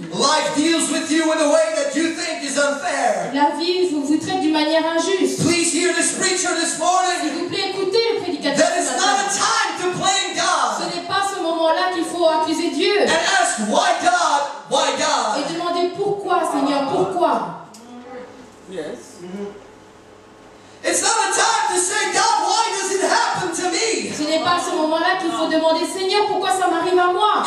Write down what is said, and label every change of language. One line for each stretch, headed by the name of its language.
English: Life deals with you in a way that you think is unfair.
French: La vie vous traite d'une manière injuste.
English: Please hear this preacher this morning.
French: S'il vous plaît, écoutez le prédicateur.
English: That is not a time to blame God.
French: Ce n'est pas ce moment-là qu'il faut accuser Dieu.
English: And ask why God. Why God?
French: Et demandez pourquoi, Seigneur, pourquoi?
English: Yes. It's not a time to say, God, why does it happen to me?
French: Ce n'est pas à ce moment-là qu'il faut demander, Seigneur, pourquoi ça m'arrive à moi?